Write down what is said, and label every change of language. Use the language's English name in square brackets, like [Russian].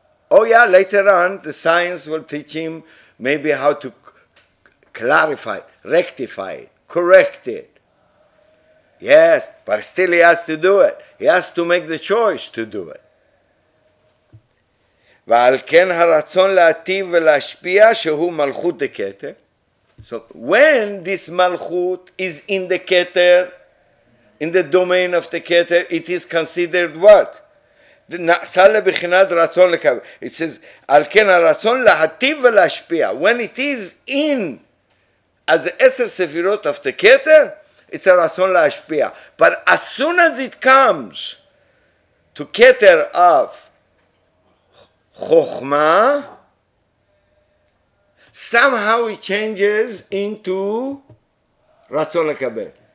[English] Oh yeah, later on, the science will teach him maybe how to clarify, rectify it, correct it. Yes, but still he has to do it. He has to make the choice to do it. [Hebrew] ועל כן הרצון להטיב ולהשפיע שהוא מלכות דקטר. [English] So when this מלכות is in the keter, in the domain of the keter, it is considered what? [Hebrew] נעשה לבחינת רצון לקבל. [English] It says, [Hebrew] על כן הרצון להטיב ולהשפיע. [English] When it is in, as the 10 ספירות of the keter, it's a רצון להשפיע. But as soon as it comes to keter of Chokhma, somehow it changes into Ratzon Lekabel.